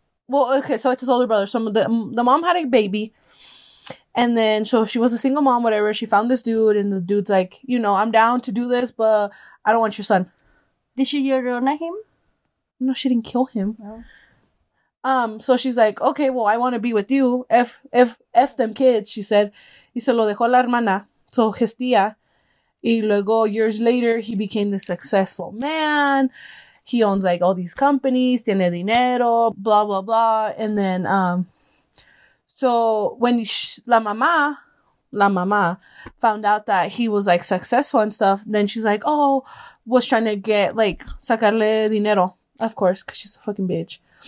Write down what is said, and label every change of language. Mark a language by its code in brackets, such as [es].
[en] Well, okay, so it's his older brother. So, the mom had a baby. And then, so she was a single mom, whatever. She found this dude, and the dude's like, you know, I'm down to do this, but I don't want your son. Did she Llorona him? No, she didn't kill him. No. So she's like, okay, well, I want to be with you. F them kids, she said. [es] Y se lo dejó la hermana, [en] so his [es] tía. Y luego, [en] years later, he became the successful man. He owns, like, all these companies, [es] tiene dinero, [en] blah, blah, blah. And then, so when [es] la mamá [en] found out that he was, like, successful and stuff, then she's like, oh, was trying to get, like, [es] sacarle dinero, [en] of course, because she's a fucking bitch.